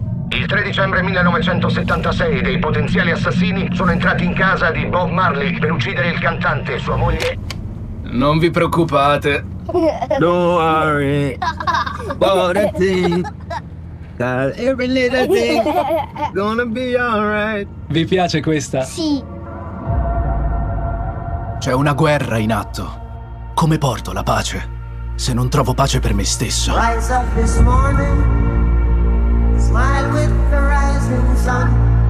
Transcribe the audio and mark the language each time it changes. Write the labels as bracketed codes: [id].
[it] Il 3 dicembre 1976 dei potenziali assassini sono entrati in casa di Bob Marley per uccidere il cantante e sua moglie. Non vi preoccupate. [en] Don't worry. But a thing that every little thing gonna be alright. [it] Vi piace questa? Sì. C'è una guerra in atto. Come porto la pace se non trovo pace per me stesso? [en] Rise up this morning, smile with the rising sun.